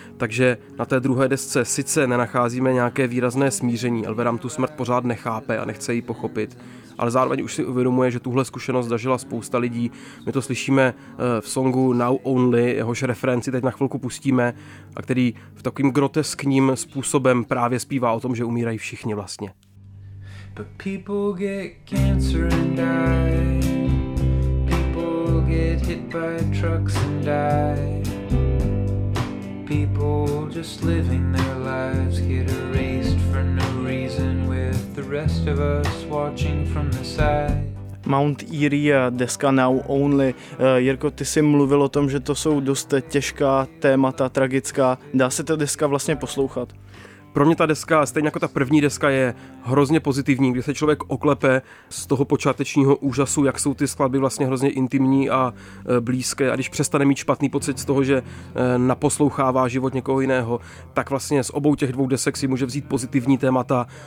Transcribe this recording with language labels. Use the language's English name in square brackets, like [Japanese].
[Czech] Takže na té druhé desce sice nenacházíme nějaké výrazné smíření, Elveram tu smrt pořád nechápe a nechce ji pochopit, ale zároveň už si uvědomuje, že tuhle zkušenost zažila spousta lidí. My to slyšíme v songu Now Only, jehož referenci teď na chvilku pustíme, a který v takovým groteskním způsobem právě zpívá o tom, že umírají všichni vlastně. [English] But people get cancer and die. People get hit by trucks and die. People just living their lives get erased for no reason with the rest of us watching from the side. [Czech] Mount Eerie a deska Now Only. Jirko, ty jsi mluvil o tom, že to jsou dost těžká témata, tragická. Dá se ta deska vlastně poslouchat? Pro mě ta deska, stejně jako ta první deska, je hrozně pozitivní, kdy se člověk oklepe z toho počátečního úžasu, jak jsou ty skladby vlastně hrozně intimní a blízké, a když přestane mít špatný pocit z toho, že naposlouchává život někoho jiného, tak vlastně z obou těch dvou desek si může vzít pozitivní témata.